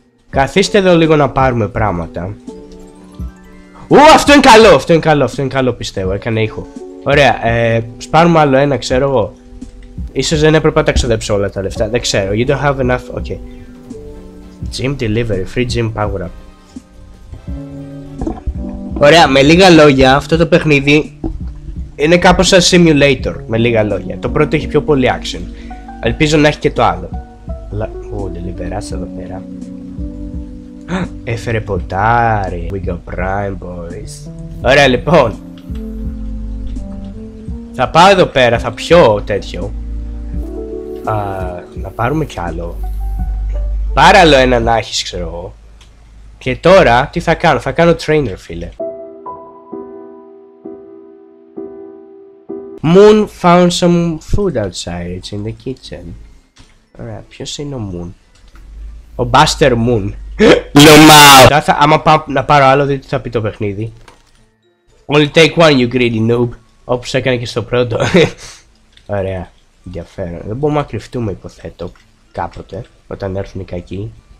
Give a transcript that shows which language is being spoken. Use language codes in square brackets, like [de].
[el] Καθίστε εδώ λίγο να πάρουμε πράγματα. Ου, αυτό είναι καλό, αυτό είναι καλό, αυτό είναι καλό πιστεύω. Έκανε ήχο. Ωραία, σπάρουμε άλλο ένα, ξέρω εγώ. Ίσως δεν έπρεπε να τα ξοδέψω όλα τα λεφτά, δεν ξέρω. [en] You don't have enough, okay. Gym delivery, free gym power up. [el] Ωραία, με λίγα λόγια, αυτό το παιχνίδι είναι κάπως σαν simulator, με λίγα λόγια. Το πρώτο έχει πιο πολύ action. Ελπίζω να έχει και το άλλο. Ου, deliverás εδώ πέρα. Έφερε ποτάρι. [en] We go prime, boys. [el] Ωραία, λοιπόν. Θα πάω εδώ πέρα, θα πιω τέτοιο. Να πάρουμε κι άλλο. Πάρα άλλο ένα να έχεις, ξέρω εγώ. Και τώρα, τι θα κάνω, θα κάνω trainer, φίλε. [en] Moon found some food outside, it's in the kitchen. [el] Ωραία, ποιος είναι ο Moon? Ο Buster Moon. Λομάω! Άμα πάω να πάρω άλλο, δείτε τι θα πει το παιχνίδι. [en] Only take one, you greedy noob. [el] Όπως έκανε και στο πρώτο. Ωραία, ενδιαφέρον. Δεν μπορούμε να κρυφτούμε, υποθέτω, κάποτε, όταν έρθουν οι κακοί.